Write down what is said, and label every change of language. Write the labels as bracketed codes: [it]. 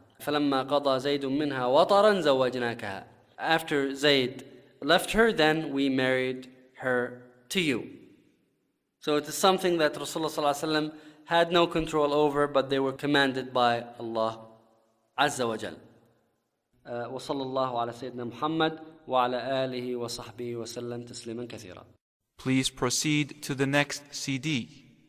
[ar] فَلَمَّا قَضَى زَيْدٌ مِّنْهَا وَطَرًا زَوَّجْنَاكَهَا. [en] After Zayd left her, then we married her to you. So it is something that Rasulullah [ar] صلى الله عليه وسلم [en] had no control over, but they were commanded by Allah Azza wa Jal. [ar] وصلى الله على سيدنا محمد وعلى آله وصحبه وسلم تسليما كثيرا. [en] Please proceed to the next CD.